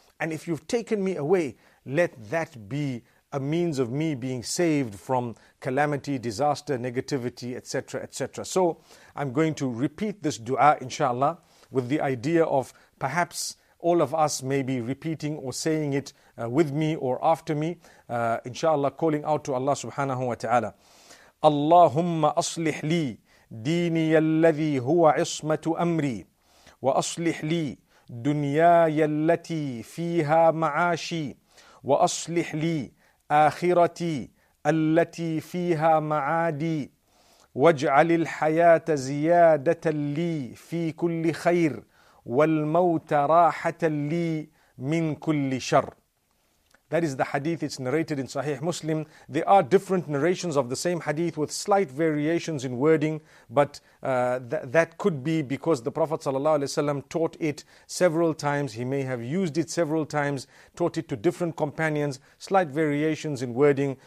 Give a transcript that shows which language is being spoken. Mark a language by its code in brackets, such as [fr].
[en] And if you've taken me away, let that be a means of me being saved from calamity, disaster, negativity, etc., etc. So I'm going to repeat this dua, inshallah, with the idea of perhaps all of us may be repeating or saying it with me or after me, inshallah, calling out to Allah subhanahu wa ta'ala. [ar] Allahumma aslih li dini yalladhi huwa ismatu amri wa aslih li dunyaya allati fiha ma'ashi wa aslih li آخرتي التي فيها معادي واجعل الحياة زيادة لي في كل خير والموت راحة لي من كل شر. [en] That is the hadith. It's narrated in Sahih Muslim. There are different narrations of the same hadith with slight variations in wording, but that could be because the Prophet ﷺ taught it several times. He may have used it several times, taught it to different companions, slight variations in wording.